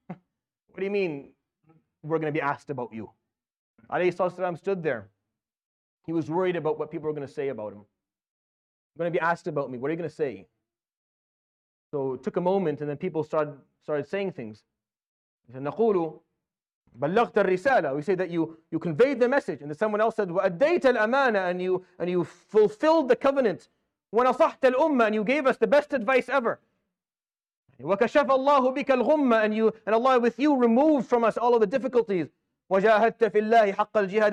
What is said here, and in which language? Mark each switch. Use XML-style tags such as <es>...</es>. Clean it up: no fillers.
<en>What do you mean, we're going to be asked about you? Alayhi sallam stood there. He was worried about what people were going to say about him. You're going to be asked about me. What are you going to say? So it took a moment, and then people started saying things. He said,</en> <ar>نَقُولُ بَلَّغْتَ الرِّسَالَةِ.</ar> <en>We say that you conveyed the message. And then someone else said,</en> <ar>وَأَدَّيْتَ الْأَمَانَةِ.</ar> <en>And you fulfilled the covenant.</en> <ar>وَنَصَحْتَ الْأُمَّةِ.</ar> <en>And you gave us the best advice ever.</en> <ar>وَكَشَفَ اللَّهُ بِكَ الْغُمَّةِ.</ar> <en>And Allah with you removed from us all of the difficulties.</en> <ar>وَجَاهَدْتَ فِي اللَّهِ حَقَّ الْجِهَادِ.</ar>